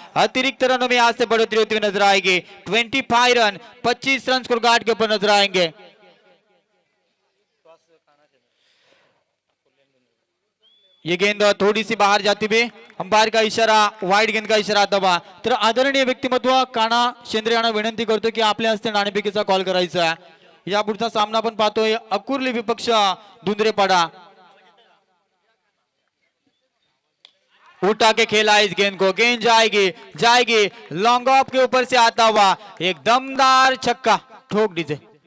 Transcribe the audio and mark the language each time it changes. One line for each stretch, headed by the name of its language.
Hindi: अतिरिक्त रनों में यहां से बढ़ोतरी होती हुई नजर आएगी, 25 रन 25 रन स्कोर कार्ड के ऊपर नजर आएंगे। ये गेंद थोड़ी सी बाहर जाती हुई, अंपायर का इशारा, वाइड गेंद का इशारा दबा।
Marathi: तर आदरणीय व्यक्तिमत्व काना शेंद्रे यांना विनंती करतो की आपल्या हस्ते नाणेफेकीचा कॉल करायचा आहे। या पुढचा सामना आपण पाहतोय अकुर्ली विपक्ष धुंधरेपाड़ा।
Hindi: उठा के खेला इस गेंद को, गेंद जाएगी जाएगी लॉन्ग ऑफ के ऊपर से आता हुआ एक दमदार छक्का ठोक दीजिए।